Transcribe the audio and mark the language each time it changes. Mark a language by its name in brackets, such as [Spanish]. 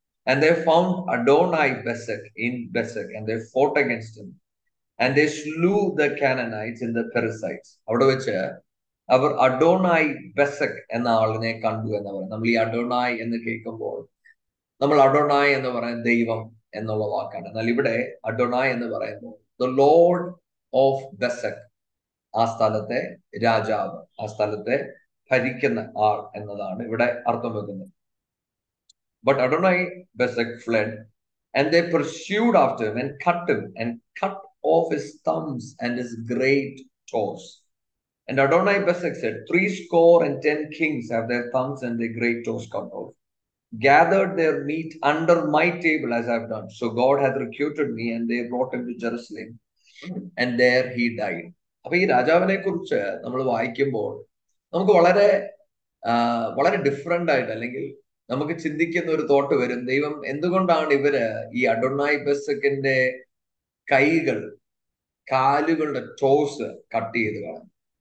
[English] And they found Adonai Bezek in Bezek and they fought against him and they slew the Canaanites and the Perizzites. [Malayalam] അവിടെ വെച്ച് അവർ അഡോണായി ബെസക് എന്ന ആളിനെ കണ്ടു എന്ന് പറയുന്നത്. നമ്മൾ ഈ അഡോണായി എന്ന് കേൾക്കുമ്പോൾ നമ്മൾ അഡോണായി എന്ന് പറയുന്ന ദൈവം എന്നുള്ള വാക്കാണ്. എന്നാൽ ഇവിടെ അഡോണായി എന്ന് പറയുമ്പോൾ [English] the lord of Bezek, [Malayalam] ആ സ്ഥലത്തെ രാജാവ്, ആ സ്ഥലത്തെ ഭരിക്കുന്ന ആൾ എന്നതാണ് ഇവിടെ അർത്ഥം വെക്കുന്നത്. [English] But Adonai Bezek fled, and they pursued after him and cut off his thumbs and his great toes. And Adonai Bezek said, 70 kings have their thumbs and their great toes cut off, gathered their meat under my table as I have done. So God hath recruited me, and they brought him to Jerusalem, and there he died. [Malayalam] അപ്പൊ ഈ രാജാവിനെ കുറിച്ച് നമ്മൾ വായിക്കുമ്പോൾ നമുക്ക് വളരെ വളരെ different ആയിട്ട് അല്ലെങ്കിൽ നമുക്ക് ചിന്തിക്കുന്ന ഒരു തോട്ട് വരും, ദൈവം എന്തുകൊണ്ടാണ് ഇവര് ഈ അഡോനായി ബെസക്കിന്റെ കൈകൾ കാലുകളുടെ ടോസ് കട്ട് ചെയ്ത് കാണുന്നത്.